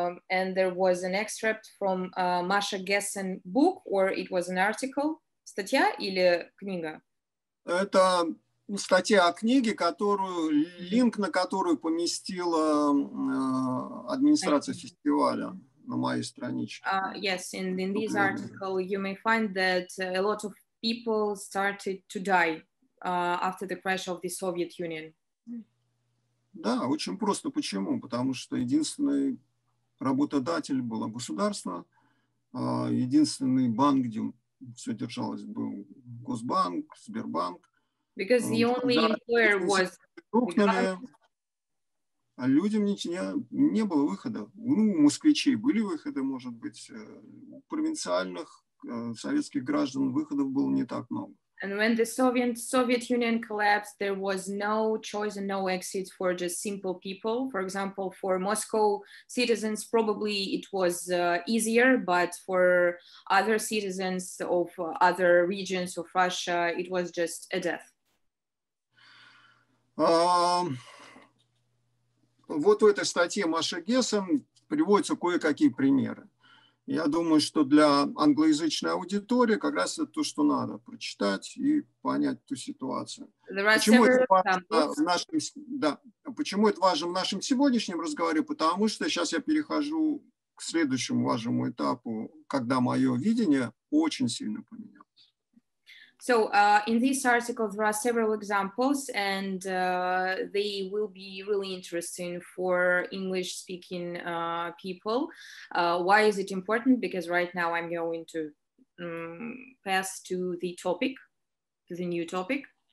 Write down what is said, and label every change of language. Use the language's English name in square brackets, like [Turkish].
[English] And there was an excerpt from Маша Гессен book, or it was an article? [Russian] Статья или книга? Это статья о книге, которую, линк на которую поместила администрация фестиваля. На моей страничке. [English] Yes, in this article you may find that a lot of people started to die after the crash of the Soviet Union. [Russian] Да, очень просто. Почему? Потому что единственный работодатель было государство, единственный банк, где все держалось, был Госбанк, Сбербанк. [English] Because the only employer was government. [Russian] А людям не было выхода. Ну, у москвичей были выходы, может быть. У провинциальных советских граждан выходов было не так много. [English] And when the Soviet Union collapsed, there was no choice and no exit for just simple people. For example, for Moscow citizens, probably it was easier, but for other citizens of other regions of Russia, it was just a death. [Russian] Вот в этой статье Маша Гессен приводятся кое-какие примеры. Я думаю, что для англоязычной аудитории как раз это то, что надо прочитать и понять ту ситуацию. Почему это важно в нашем сегодняшнем разговоре? Потому что сейчас я перехожу к следующему важному этапу, когда мое видение очень сильно поменялось. [English] So in this article, there are several examples, and they will be really interesting for English-speaking people. Why is it important? Because right now I'm going to pass to the topic, to the new topic.